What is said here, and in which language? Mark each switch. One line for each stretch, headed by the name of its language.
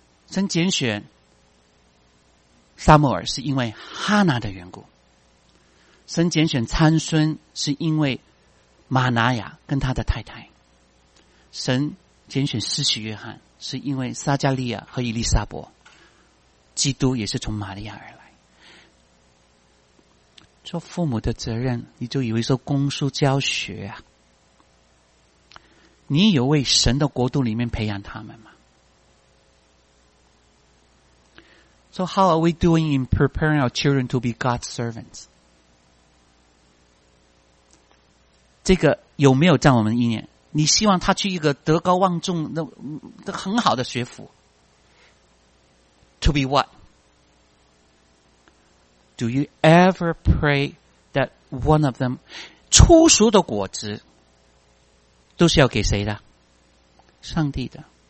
Chinese: 神拣选撒母耳是因为哈拿的缘故，神拣选参孙是因为玛拿雅跟他的太太，神拣选施洗约翰是因为撒加利亚和伊丽莎伯，基督也是从玛利亚而来。做父母的责任，你就以为说公书教学啊，你有为神的国度里面培养他们吗？
English: So how are we doing in preparing our children to be God's servants?
Chinese: 这个有没有占我们意念？你希望他去一个德高望重的很好的学府
English: To be what? Do you ever pray that one of them
Chinese: 初熟的果子都是要给谁的？上帝的。